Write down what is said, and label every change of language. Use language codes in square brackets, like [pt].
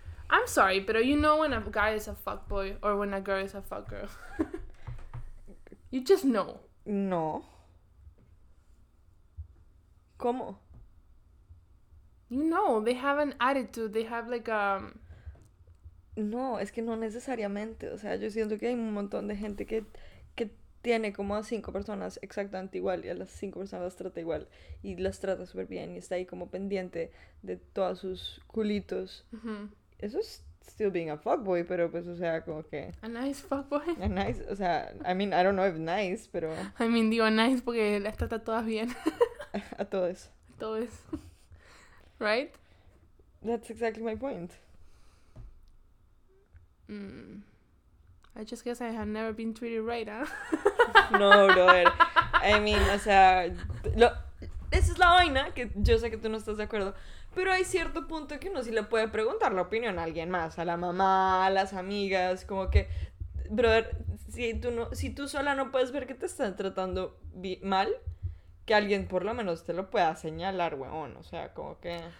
[en] I'm sorry, but you know when a guy is a fuckboy or when a girl is a fuckgirl. You just know. No. [es] ¿Cómo? [en] You know, they have an attitude, they have like a... [es] No, es que no necesariamente, o sea, yo siento que hay un montón de gente que tiene como a 5 personas exactamente igual y a las 5 personas las trata igual y las trata súper bien y está ahí como pendiente de todos sus culitos. [en] Uh-huh. [es] Eso es [en] still being a fuckboy, [es] pero pues, o sea, como que... [en] A nice fuckboy. A nice, [es] o sea, [en] I mean, I don't know if nice, [es] pero... [en] I mean, [es] digo nice porque las trata todas bien. A todos. A todos. Right? [en] That's exactly my point. I just guess I have never been treated right, huh? No, brother. I mean, [es] o sea, esa es la vaina, que yo sé que tú no estás de acuerdo, pero hay cierto punto que uno sí le puede preguntar la opinión a alguien más, a la mamá, a las amigas, como que, brother, si tú sola no puedes ver que te están tratando mal, que alguien por lo menos te lo pueda señalar, weón, o sea, como que...